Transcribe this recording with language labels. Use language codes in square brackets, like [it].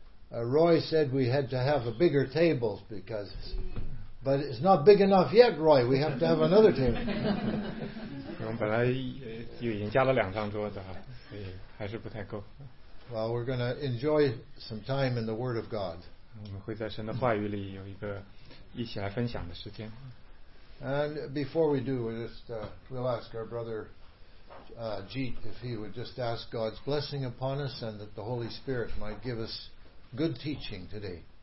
[en] Roy said we had to have a bigger table because, but it's not big enough yet, Roy. We have to have another table. [zh] 我们本来又已经加了两张桌子，所以还是不太够。 [en] Well, we're going to enjoy some time in the Word of God. [zh] 我们会在神的话语里有一个。 [en] And before we do, we'll ask our brother Jeet if he would just ask God's blessing upon us and that the Holy Spirit might give us good teaching today.